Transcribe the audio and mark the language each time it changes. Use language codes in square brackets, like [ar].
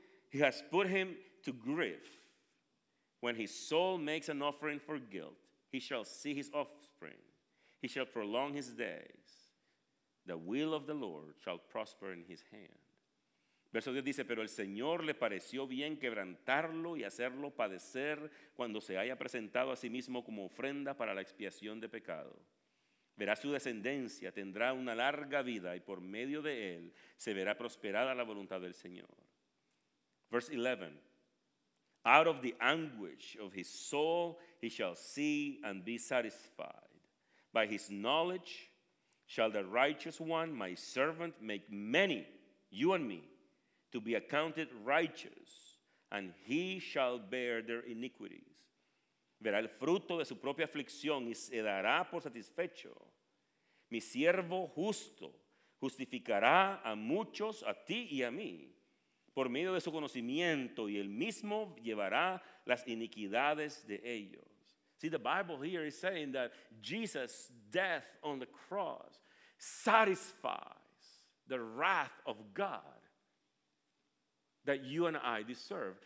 [en] He has put him to grief. When his soul makes an offering for guilt, he shall see his offspring. He shall prolong his days. The will of the Lord shall prosper in his hand. [es] Verso 10 dice, pero el Señor le pareció bien quebrantarlo y hacerlo padecer cuando se haya presentado a sí mismo como ofrenda para la expiación de pecado. Verá su descendencia, tendrá una larga vida y por medio de él se verá prosperada la voluntad del Señor. [en] Verse 11, out of the anguish of his soul he shall see and be satisfied. By his knowledge shall the righteous one, my servant, make many, you and me, to be accounted righteous, and he shall bear their iniquities. [es] Verá el fruto de su propia aflicción y se dará por satisfecho. Mi siervo justo justificará a muchos, a ti y a mí, por medio de su conocimiento, y él mismo llevará las iniquidades de ellos. [en] See, the Bible here is saying that Jesus' death on the cross satisfies the wrath of God that you and I deserve.